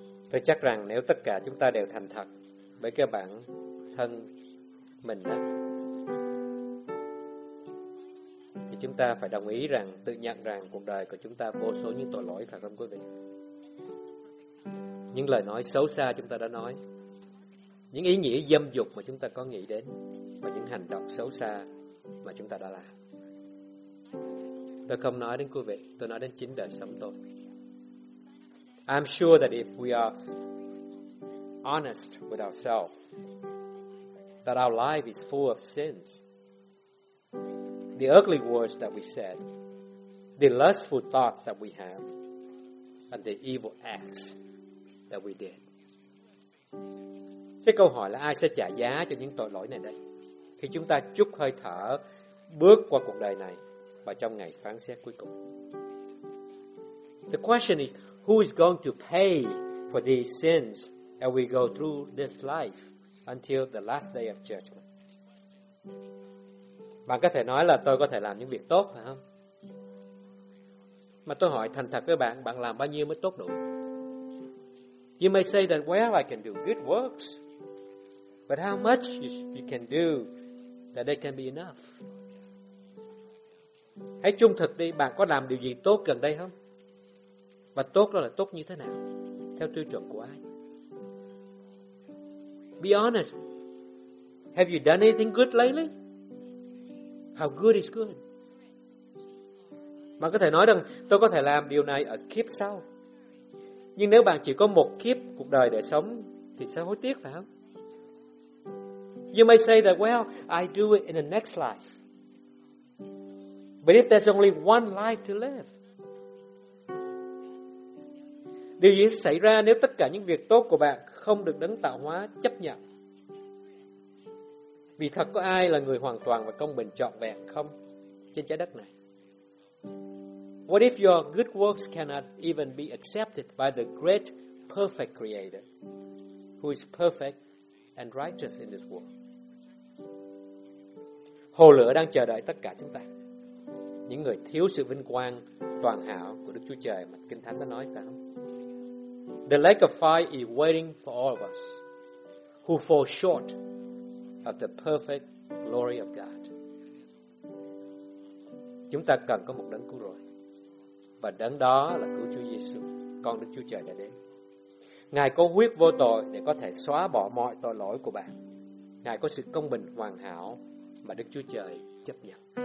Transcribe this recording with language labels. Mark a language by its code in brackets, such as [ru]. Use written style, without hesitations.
[vi] Tôi chắc rằng nếu tất cả chúng ta đều thành thật với cái bản thân mình đó, chúng ta phải đồng ý rằng, tự nhận rằng cuộc đời của chúng ta vô số những tội lỗi, phải không quý vị? Những lời nói xấu xa chúng ta đã nói, những ý nghĩa dâm dục mà chúng ta có nghĩ đến, và những hành động xấu xa mà chúng ta đã làm. Tôi không nói đến quý vị, tôi nói đến chính đời sống tôi. [en] I'm sure that if we are honest with ourselves, that our life is full of sins. The ugly words that we said, the lustful thoughts that we have, and the evil acts that we did. [vi] Cái câu hỏi là ai sẽ trả giá cho những tội lỗi này đây? Khi chúng ta chút hơi thở, bước qua cuộc đời này và trong ngày phán xét cuối cùng. [en] The question is, who is going to pay for these sins as we go through this life until the last day of judgment? [vi] Bạn có thể nói là tôi có thể làm những việc tốt, phải không? Mà tôi hỏi thành thật với bạn, bạn làm bao nhiêu mới tốt đủ? [en] You may say that, well, I can do good works. But how much you can do that they can be enough? [vi] Hãy trung thực đi, bạn có làm điều gì tốt gần đây không? Và tốt đó là tốt như thế nào? Theo tiêu chuẩn của ai? [en] Be honest. Have you done anything good lately? How good is good? [vi] Bạn có thể nói rằng tôi có thể làm điều này ở kiếp sau. Nhưng nếu bạn chỉ có một kiếp cuộc đời để sống thì sẽ hối tiếc, phải không? [en] You may say that, well, I do it in the next life. But if there's only one life to live, [vi] điều gì sẽ xảy ra nếu tất cả những việc tốt của bạn không được đấng tạo hóa chấp nhận? Vì thật có ai là người hoàn toàn và công bình trọn vẹn không trên trái đất này? [en] What if your good works cannot even be accepted by the great perfect creator who is perfect and righteous in this world? [vi] Hồ lửa đang chờ đợi tất cả chúng ta, những người thiếu sự vinh quang toàn hảo của Đức Chúa Trời mà Kinh Thánh đã nói, phải không? [en] The lake of fire is waiting for all of us who fall short of the perfect glory of God. [vi] Chúng ta cần có một đấng cứu rỗi. Và đấng đó là cứu Chúa Giêsu, con Đức Chúa Trời đã đến. Ngài có huyết vô tội để có thể xóa bỏ mọi tội lỗi của bạn. Ngài có sự công bình hoàn hảo mà Đức Chúa Trời chấp nhận.